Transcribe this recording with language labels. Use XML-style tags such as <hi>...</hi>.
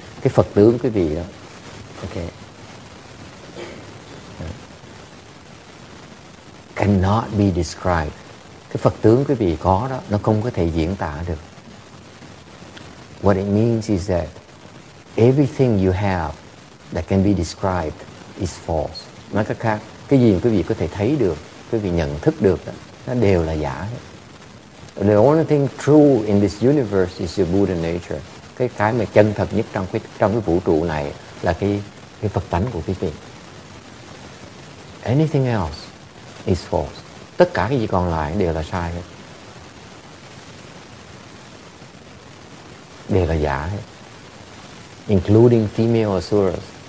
<vi>Cái Phật tướng quý vị đó, okay.</vi> <en>Cannot be described.</en> <vi>Cái Phật tướng quý vị có đó, nó không có thể diễn tả được.</vi> <en>What it means is that everything you have that can be described is false.</en> <vi>Nói cách khác, cái gì quý vị có thể thấy được, quý vị nhận thức được đó, nó đều là giả.</vi> <en>The only thing true in this universe is your Buddha nature.</en> <vi>Cái mà chân thật nhất trong cái vũ trụ này là cái Phật tánh của quý vị.</vi> <en>Anything else is false.</en> <vi>Tất cả cái gì còn lại đều là sai hết. Đều là giả hết.</vi> <en>Including female asuras.</en>